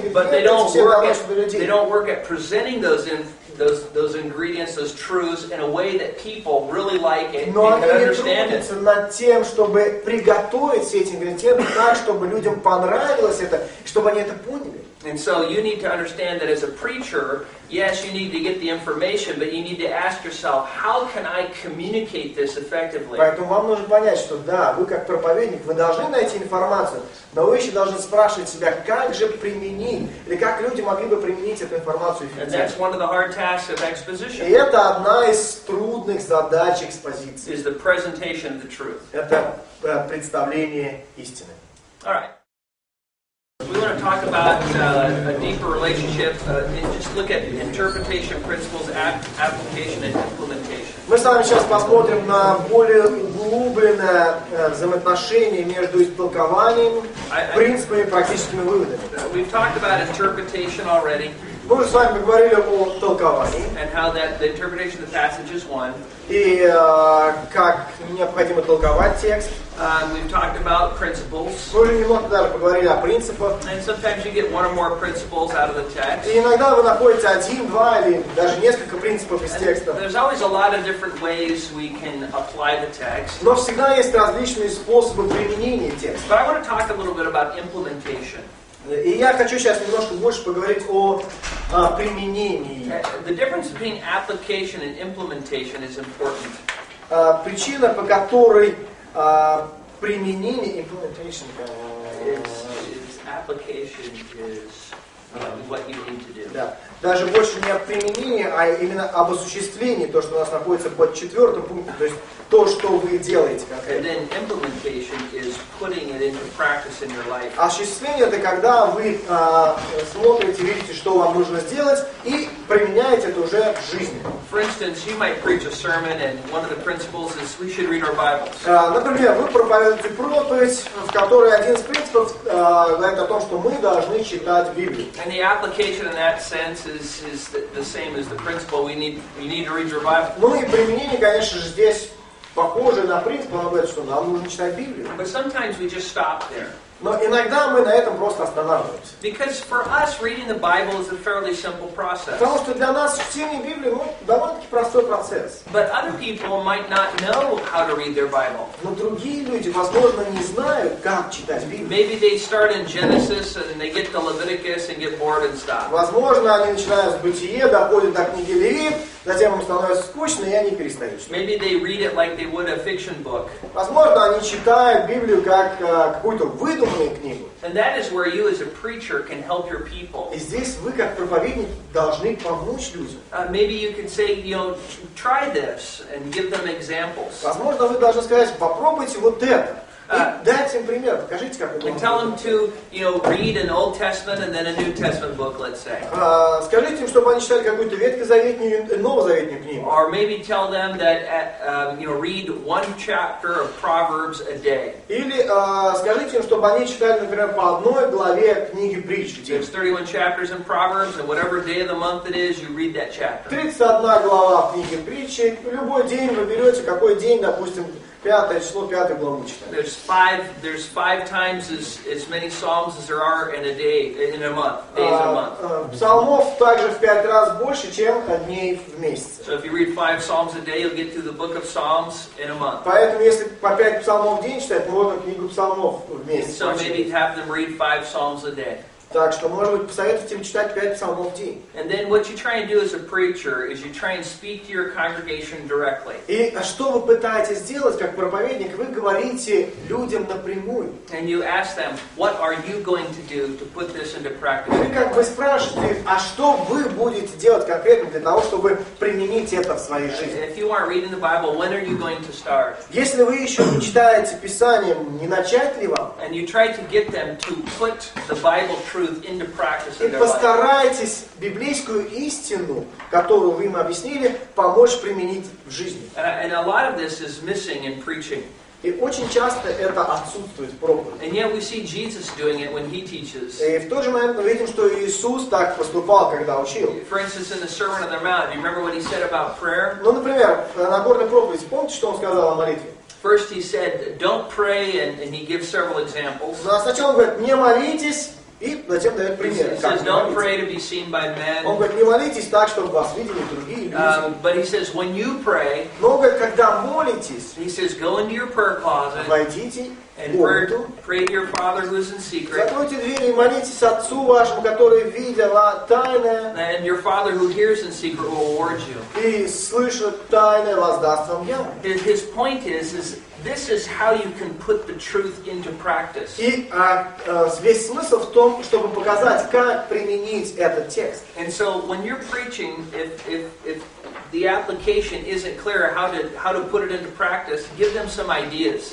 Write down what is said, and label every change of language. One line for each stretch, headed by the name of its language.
English: But they don't work at presenting those ingredients, those truths in a way that people really like it
Russian: Но
English: and can understand it.
Russian: Над тем, чтобы приготовить все эти ингредиенты так, чтобы людям понравилось это, чтобы они это поняли.
English: And so you need to understand that as a preacher, yes, you need to get the information, but you need to ask yourself, how can I communicate this effectively?
Russian: Поэтому вам нужно понять, что да, вы как проповедник, вы должны найти информацию, но вы еще должны спрашивать себя, как же применить, или как люди могли бы применить эту информацию эффективно.
English: And that's one of the hard tasks of exposition.
Russian: И это одна из трудных задач экспозиции.
English: Is the presentation of the truth.
Russian: Это представление истины.
English: All right. We want to talk about a deeper relationship and just look at interpretation principles, application and implementation.
Russian: Мы с вами сейчас посмотрим на более углубленное взаимоотношение между истолкованием, принципами и практическими выводами.
English: We've talked about interpretation already.
Russian: Мы уже с вами поговорили о толковании.
English: And how that the interpretation of the passage is one.
Russian: И как необходимо толковать текст.
English: We've talked about principles.
Russian: Мы уже немного даже поговорили о принципах.
English: And sometimes you get one or more principles out of the text.
Russian: И иногда вы находите один, два или даже несколько принципов из текста.
English: There's always a lot of different ways we can apply the text.
Russian: Но всегда есть различные способы применения текста.
English: But I want to talk a little bit about implementation.
Russian: И я хочу сейчас немножко больше поговорить о применении.
English: The difference between application and implementation is important.
Russian: Причина, по которой применение implementation
English: is application is what you need to do.
Russian: Да. Даже больше не о применении, а именно об осуществлении, то, что у нас находится под четвертым пунктом, то есть то, что вы делаете.
English: And then implementation is putting it into practice in your life.
Russian: Осуществление – это когда вы смотрите, видите, что вам нужно сделать, и применяете это уже в жизни.
English: For instance, you might preach a sermon, and one of the principles is we should read our Bibles.
Russian: Например, вы проповедуете проповедь, в которой один из принципов говорит о том, что мы должны читать Библию.
English: And the application in that sense is the same as the principle we need to read your Bible.
Russian: Ну и применение, конечно же, здесь похоже на принцип, он говорит, что нам нужно читать Библию.
English: But sometimes we just stop there.
Russian: Но иногда мы на этом просто останавливаемся.
English: Because for us, reading the Bible is a fairly simple process.
Russian: Потому что для нас чтение Библии, ну, довольно-таки простой процесс.
English: But other people might not know how to read their Bible.
Russian: Но другие люди, возможно, не знают, как читать Библию.
English: Maybe they start in Genesis and they get to Leviticus and get bored and stop.
Russian: Возможно, они начинают с Бытия, доходят до книги Левит, затем им становится скучно, и они перестают читать.
English: Maybe they read it like they would a fiction book.
Russian: Возможно, они читают Библию как какую-то выдумку.
English: And that is where you as a preacher can help your people.
Russian: И здесь вы как проповедник должны помочь людям.
English: Maybe you can say, you know, try this and give them examples.
Russian: Возможно, вы должны сказать, попробуйте вот это. И дайте им пример, покажите, как это.
English: And tell them to, you know, read an Old Testament and then a New Testament book, let's say.
Russian: Скажите им, чтобы они читали какую-то ветхую заветную и новозаветную книгу.
English: Or maybe tell them that, you know, read one chapter of Proverbs a day.
Russian: Или скажите им, чтобы они читали, например, по одной главе книги Притч.
English: There's 31 chapters in Proverbs, and whatever day of the month it is, you read that chapter.
Russian: 31 глава книги Притч. Любой день вы берете, какой день, допустим. Пятое число, пятое главу читаем.
English: There's five times as many psalms as there are in a day, in a month, days in a month.
Russian: Псалмов также в пять раз больше, чем дней в месяц.
English: So if you read five psalms a day, you'll get through the book of psalms in a month.
Russian: Поэтому если по пять псалмов в день читать, можно книгу псалмов в месяц.
English: So maybe have them read five psalms a day.
Russian: Так что, может быть, посоветуйте им читать 5 псалмов в день.
English: And then what you try and do as a preacher is you try and speak to your congregation directly.
Russian: И что вы пытаетесь сделать как проповедник? Вы говорите людям напрямую.
English: And you ask them, what are you going to do to put this into practice?
Russian: Вы как бы спрашиваете, а что вы будете делать конкретно для того, чтобы применить это в своей жизни?
English: If you aren't reading the Bible, when are you going to start?
Russian: Если вы еще не читаете Писание, не начать ли вам?
English: And you try to get them to put the Bible truth into practice.
Russian: И постарайтесь библейскую истину, которую вы им объяснили, помочь применить в жизни.
English: And a lot of this is missing in preaching.
Russian: И очень часто это отсутствует в проповеди.
English: And yet we see Jesus doing it when he teaches.
Russian: И в тот же момент мы видим, что Иисус так поступал, когда учил.
English: For instance, in the Sermon on the Mount, do you remember what he said about prayer?
Russian: Ну, например, на горной проповеди, помните, что он сказал о молитве?
English: First he said, don't pray, and he gives several examples.
Russian: Но сначала он говорит, не молитесь. И затем дает пример,
English: he says, don't pray to be seen by men.
Russian: Он говорит, не молитесь так, чтобы вас видели другие люди.
English: But he says, when you pray,
Russian: но он говорит, когда молитесь,
English: he says, go into your prayer closet,
Russian: войдите
English: and
Russian: в комнату,
English: pray to your father who is in secret,
Russian: закройте двери и молитесь отцу вашему, который видел тайное,
English: and your father who hears in secret will reward you.
Russian: И слышит тайное, воздаст вам явно.
English: His point is this is how you can put the truth into practice.
Russian: И весь смысл в том, чтобы показать, как применить этот текст.
English: And so when you're preaching, if the application isn't clear how to put it into practice, give them some ideas.